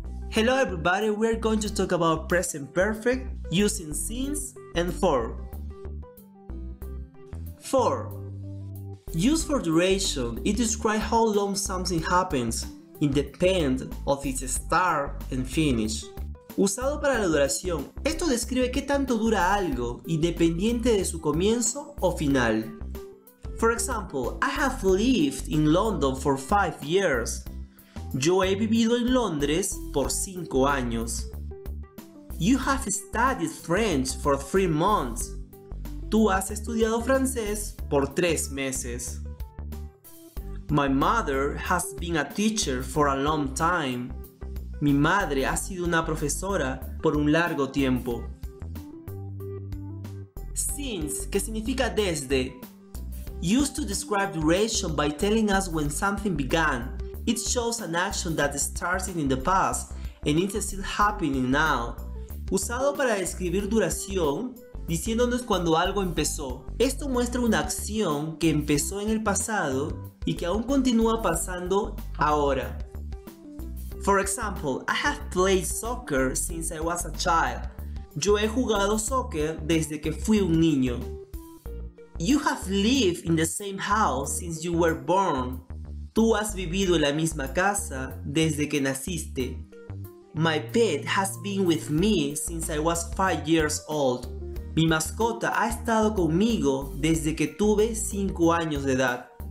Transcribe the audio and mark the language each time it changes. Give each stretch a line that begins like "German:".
English: Hello everybody, we are going to talk about present perfect using since and for. 4. Use for duration. It describes how long something happens, independent of its start and finish.
Spanish: Usado para la duración. Esto describe qué tanto dura algo, independiente de su comienzo o final.
English: For example, I have lived in London for 5 years.
Spanish: Yo he vivido en Londres por 5 años.
English: You have studied French for 3 months.
Spanish: Tú has estudiado francés por 3 meses.
English: My mother has been a teacher for a long time.
Spanish: Mi madre ha sido una profesora por un largo tiempo. Since, que significa desde.
English: Used to describe duration by telling us when something began. It shows an action that started in the past and it is still happening now.
Spanish: Usado para describir duración, diciéndonos cuando algo empezó. Esto muestra una acción que empezó en el pasado y que aún continúa pasando ahora.
English: For example, I have played soccer since I was a child.
Spanish: Yo he jugado soccer desde que fui un niño.
English: You have lived in the same house since you were born.
Spanish: Tú has vivido en la misma casa desde que naciste.
English: My pet has been with me since I was 5 years old.
Spanish: Mi mascota ha estado conmigo desde que tuve 5 años de edad.